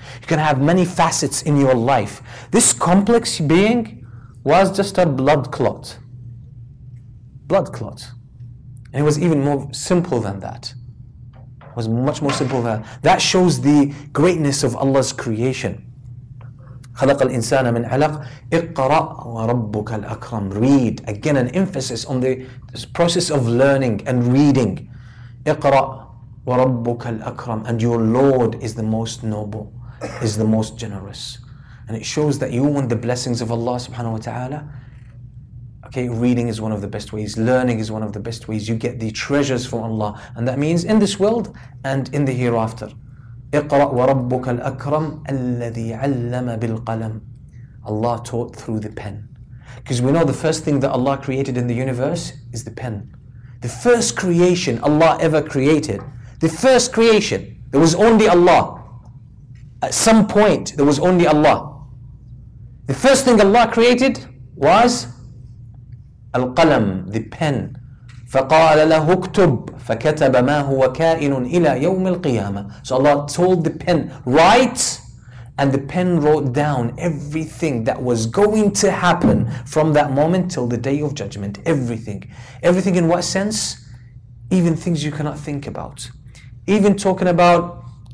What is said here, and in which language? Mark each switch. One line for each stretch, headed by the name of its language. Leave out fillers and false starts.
English: You can have many facets in your life. This complex being was just a blood clot. Blood clot. And it was even more simple than that. Was much more simple than that. Shows the greatness of Allah's creation.
Arabic: خلق الإنسان من علق اقرأ وربك الأكرم.
English: Read. Again, an emphasis on the process of learning and reading.
Arabic: اقرأ وربك الأكرم.
English: And your Lord is the most noble, is the most generous. And it shows that you want the blessings of Allah subhanahu wa ta'ala. Okay, reading is one of the best ways. Learning is one of the best ways. You get the treasures from Allah. And that means in this world and in the hereafter.
Arabic: اقرأ وربك الأكرم الذي علم بالقلم.
English: Allah taught through the pen. Because we know the first thing that Allah created in the universe is the pen. The first creation Allah ever created. The first creation. There was only Allah. At some point, there was only Allah. The first thing Allah created was القلم, the pen.
Arabic: فقال له اكتب فكتب ما هو كائن إلى يوم القيامة.
English: So Allah told the pen, write, and the pen wrote down everything that was going to happen from that moment till the day of judgment. Everything. Everything in what sense? Even things you cannot think about. Even talking about